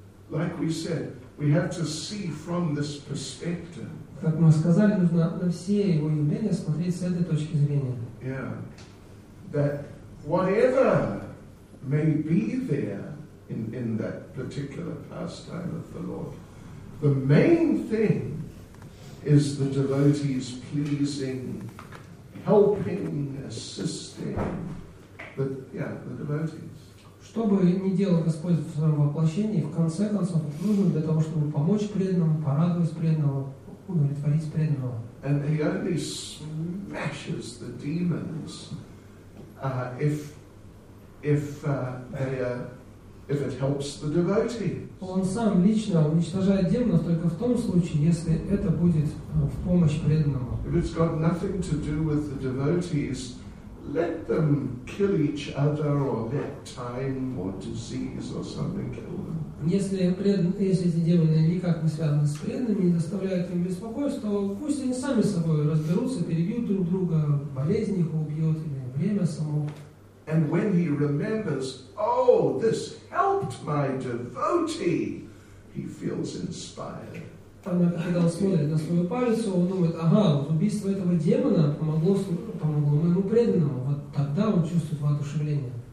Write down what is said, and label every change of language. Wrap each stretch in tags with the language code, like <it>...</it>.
<en>Like we said, we have to see from this perspective.</en> <ru>Как мы сказали, нужно на все его явления смотреть с этой точки зрения.</ru> <en>Yeah. That whatever may be there in that particular pastime of the Lord, the main thing is the devotee's pleasing, helping, assisting. The devotees.</en> <ru>Что бы ни делал Господь в своем воплощении, в конце концов, нужно для того, чтобы помочь преданному, порадовать преданного, удовлетворить преданного.</ru> <en>And he only smashes the demons if it helps the devotee.</en> <ru>Он сам лично уничтожает демонов только в том случае, если это будет в помощь преданному.</ru> <en>If it's got nothing to do with the devotees, let them kill each other, or let time, or disease, or something kill them.</en> <ru>Если эти демоны никак не связаны с преданными, не доставляют им беспокойства, то пусть они сами собой разберутся, перебьют друг друга, болезнь их убьет или время само.</ru> <en>And when he remembers, oh, this helped my devotee, he feels inspired.</en> <ru>Когда он смотрит на свою палицу, он думает, ага, вот убийство этого демона помогло моему преданному. Вот тогда он чувствует воодушевление.</ru>